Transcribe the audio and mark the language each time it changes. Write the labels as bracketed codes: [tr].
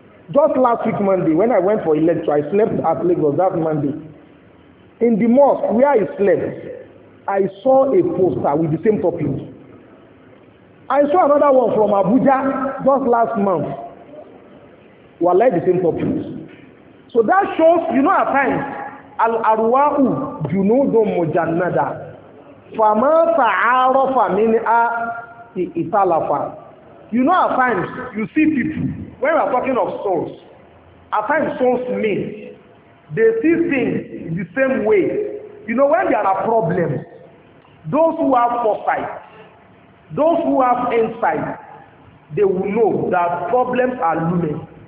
[en] Just last week, Monday, when I went for a lecture, I slept at Lagos that Monday. In the mosque where I slept, I saw a poster with the same topic. I saw another one from Abuja just last month. We are like the same topic. So that shows, you know, at times, [ar] Al-Arwa'u Junudun Mujannada. فَمَا تَعَارَفَ مِنْهَا إِتَالَفَ [en] You know, at times, you see people, when we're talking of souls, at times souls mean, they see things the same way. You know, when there are problems, those who have foresight, those who have insight, they will know that problems are looming.